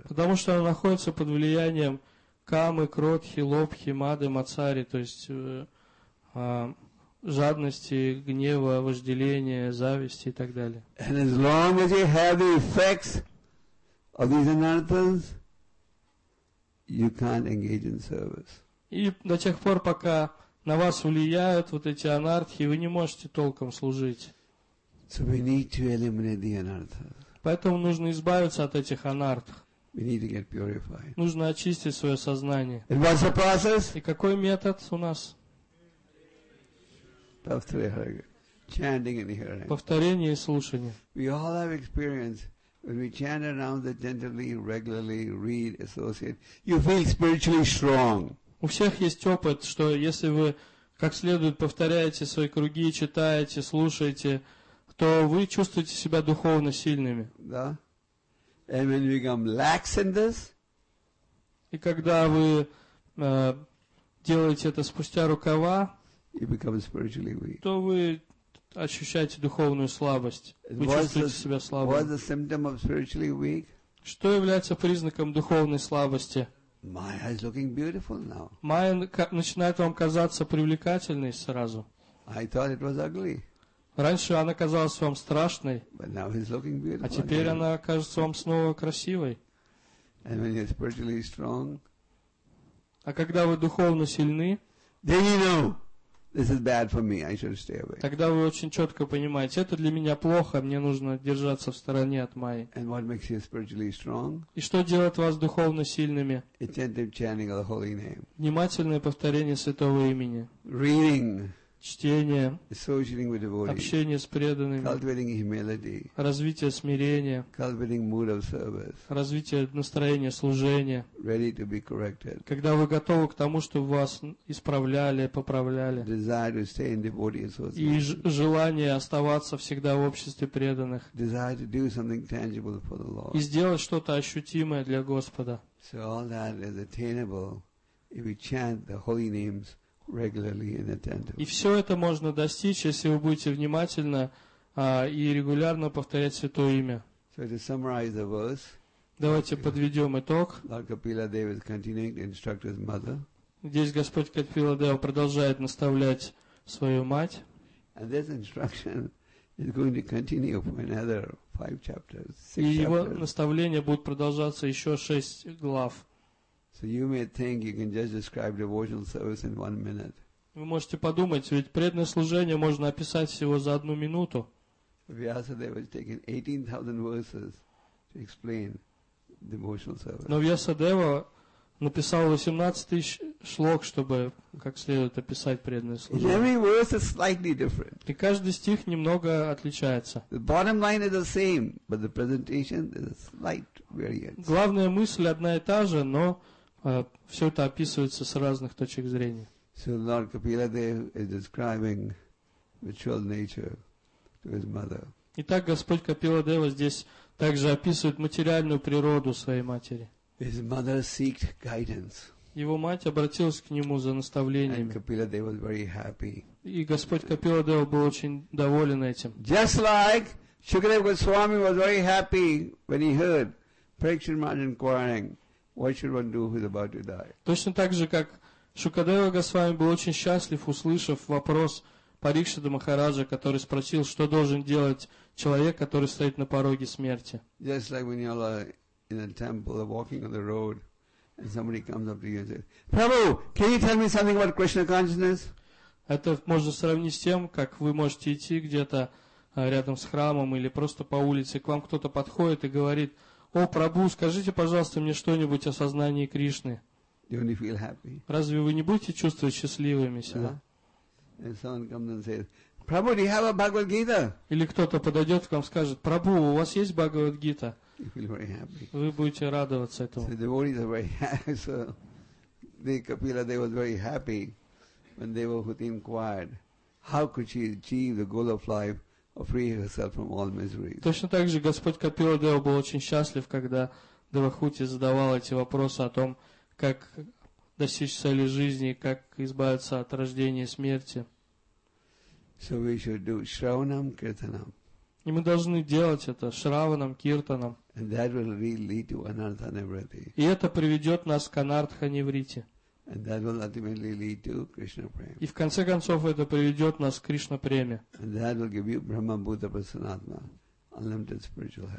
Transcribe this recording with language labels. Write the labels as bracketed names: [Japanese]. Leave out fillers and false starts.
[Russian] Потому что оно находится под влиянием камы, кротхи, лобхи, мады, мацари, то есть жадности, гнева, вожделения, зависти и так далее. [English] And as long as you have the effects of these anarthas, you can't engage in service. [Russian] И до тех пор, пока на вас влияют вот эти анартхи, вы не можете толком служить. [English] So we need to eliminate the anarthas. [Russian] Поэтому нужно избавиться от этих анартх. [English] We need to get purified. [Russian] Нужно очистить свое сознание. [English] And what's the process? [Russian] И какой метод у нас? [English] Chanting and hearing. [Russian] Повторение и слушание. [English] We all have experience. When we chant around the gently, regularly, read, associate, you feel spiritually strong. [Russian] У всех есть опыт, что если вы как следует повторяете свои круги, читаете, слушаете, то вы чувствуете себя духовно сильными. [English] Да. And when we become lax in this, [Russian] и когда вы делаете это спустя рукава, [English] you become spiritually weak. [Russian] То вы ощущаете духовную слабость. Вы чувствуете себя слабым. [English] What's the symptom of spiritually weak? [Russian] Что является признаком духовной слабости? [English] Майя is looking beautiful now. [Russian] Майя начинает вам казаться привлекательной сразу. [English] I thought it was ugly. [Russian] Раньше она казалась вам страшной. [English] But now he's looking beautiful. [Russian] А теперь она кажется вам снова красивой. [English] And when you're spiritually strong, [Russian] а когда вы духовно сильны, [English] then you know, this is bad for me, I should stay away. [Russian] Тогда вы очень четко понимаете, это для меня плохо, мне нужно держаться в стороне от Майи. [English] And what makes you spiritually strong? [Russian] И что делает вас духовно сильными? [English] Attentive chanting of the holy name. [Russian] Внимательное повторение святого имени. [English] Reading. [Russian] Чтение. [English] Associating with devotees. [Russian] Общение с преданными. [English] Cultivating humility. [Russian] Развитие смирения. [English] Cultivating mood of service. [Russian] Развитие настроения служения. [English] Ready to be corrected. [Russian] Когда вы готовы к тому, чтобы вас исправляли, поправляли. [English] Desire to stay in devotee association. [Russian] И желание оставаться всегда в обществе преданных. [English] Desire to do something tangible for the Lord. [Russian] И сделать что-то ощутимое для Господа. [English] So all that is attainable if we chant the holy names regularly and attentively. [Russian] И все это можно достичь, если вы будете внимательно и регулярно повторять Святое Имя. [English] So to summarize the verse, [Russian] давайте подведем итог. [English] Lord Kapila Dev is continuing to instruct his mother. [Russian] Здесь Господь Капила Дева продолжает наставлять свою мать. [English] And this instruction is going to continue for another 5 chapters, 6 [Russian] И его наставление будет продолжаться еще 6 глав. [English] So you may think you can just describe devotional service in 1 minute. [Russian] Вы можете подумать, ведь преданное служение можно описать всего за одну минуту. [English] Vyasadeva has taken 18,000 verses to explain devotional service. [Russian] Но Vyasadeva написал 18 тысяч шлок, чтобы как следует описать преданное служение. [English] Every verse is slightly different. [Russian] И каждый стих немного отличается. [English] The bottom line is the same, but the presentation is a slight variance. [Russian] Главная мысль одна и та же, но все это описывается с разных точек зрения. [English] So Lord Kapiladev is describing ritual nature to his mother. [Russian] Итак, Господь Капиладева здесь также описывает материальную природу своей матери. [English] His mother sought guidance. [Russian] Его мать обратилась к нему за наставлениями. [English] And Kapiladeva was very happy. [Russian] И Господь Капиладева был очень доволен этим. [English] Just like Shukadev Goswami was very happy when he heard Parikshit Maharaj inquiring, "What should one do who is about to die?" [Russian] Точно так же, как Шукадева Госвами был очень счастлив, услышав вопрос Парикшита Махараджа, который спросил, что должен делать человек, который стоит на пороге смерти. [English] Just like when you're in a temple, walking on the road, and somebody comes up to you and says, "Prabhu, can you tell me something about Krishna consciousness?" [Russian] Это можно сравнить с тем, как вы можете идти где-то рядом с храмом или просто по улице, к вам кто-то подходит и говорит: "О, Прабу, скажите, пожалуйста, мне что-нибудь о сознании Кришны." [English] You only feel happy. [Russian] Разве вы не будете чувствовать счастливыми себя? [English] And someone comes and says, "Prabhu, do you have a Bhagavad Gita?" [Russian] Или кто-то подойдет к вам и скажет: "Прабу, у вас есть Бхагавад Гита?" [English] You feel very happy. [Russian] Вы будете радоваться этому. [English] So the devotees are very happy. So the Kapila, they were very happy when Devahuti inquired, "How could she achieve the goal of life of freeing herself from all miseries?" [Russian] Точно так же Господь Капиладева был очень счастлив, когда Девахути задавал эти вопросы о том, как достичь цели жизни, как избавиться от рождения и смерти. [English] So we should do shravanam, kirtanam. [Russian] И мы должны делать это шраванам, киртанам. [English] And that will really lead to anartha nivritti. [Russian] И это приведет нас к анартха нивритти. [English] And that will ultimately lead to Krishna prema. [Russian] И в конце концов это приведет нас к Кришна преме. [English] And that will give you Brahma Buddha Prasanatma, unlimited spiritual health.